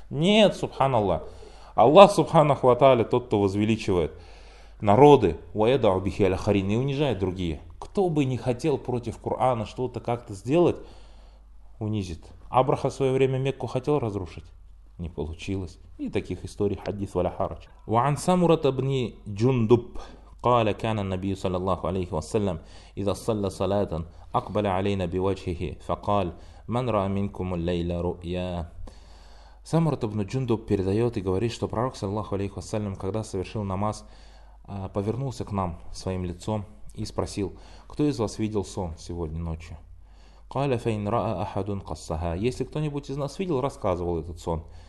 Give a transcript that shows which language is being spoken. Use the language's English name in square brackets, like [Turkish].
[Russian] Нет, субханаллах. Аллах, субханаху ва тааля, тот, кто возвеличивает народы, [Arabic] уэдау бихи аля харин, [Russian] и унижает другие. Кто бы не хотел против Корана что-то как-то сделать, унизит. Абраха в свое время Мекку хотел разрушить. Не получилось. И таких историй хадис валя харач. [Arabic] Ва ан самурат абни джундуб. قال كان النبي صلى الله عليه وسلم إذا صلى صلاة أقبل علينا بوجهه فقال من رأى منكم الليل رؤيا. [Russian] Самурат ибн Джундуб передает и говорит, что пророк, саллаллаху алейхи вассалям, когда совершил намаз, повернулся к нам своим лицом и спросил, кто из вас видел сон сегодня ночью? [Arabic] قال فإن رأى أحد قصها. [Russian] Если кто-нибудь из нас видел, рассказывал этот сон.